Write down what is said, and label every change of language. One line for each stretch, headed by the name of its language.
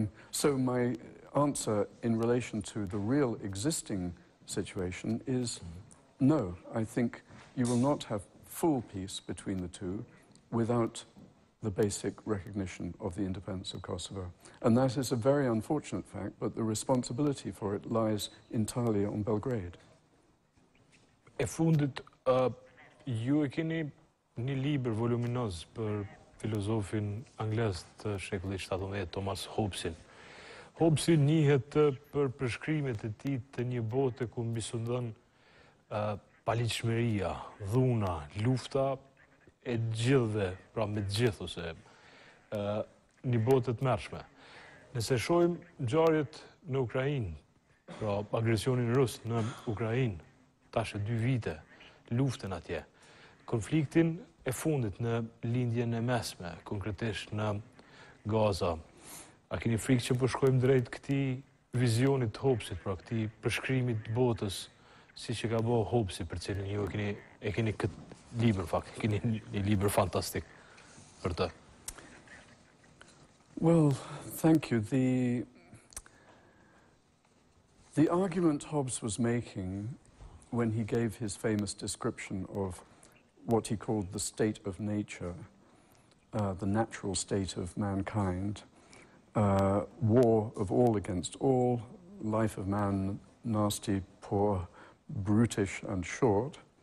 English: So my answer in relation to the real existing situation is no, I think you will not have full peace between the two without the basic recognition of the independence of Kosovo. And that is a very unfortunate fact, but the responsibility for it lies entirely on Belgrade.
Albanian: E fundit, ju e keni një libër voluminoz për filozofin anglez të shekullit 17, Thomas Hobbesin. Hobbesin njihet për përshkrimet e tij të një bote ku mbisundon paligjshmëria, dhuna, lufta e gjithëve, pra me të gjithë ose një bote të mërshme. Nëse shohim ngjarjet në Ukrainë, pra agresionin rus në Ukrainë, tash e dy vite, luftën atje, konfliktin e fundit në lindjen e mesme, konkretisht në Gaza. A keni frikë që po shkojmë drejt këtij vizionit të Hobbesit, pra këtij përshkrimit të botës, siç e ka bëu Hobbesi, për cilën ju e keni këtë libër, fakt, keni një libër fantastik. për të?
English: Well, thank you. The argument Hobbes was making when he gave his famous description of what he called the state of nature, the natural state of mankind, war of all against all, life of man nasty, poor, brutish and short.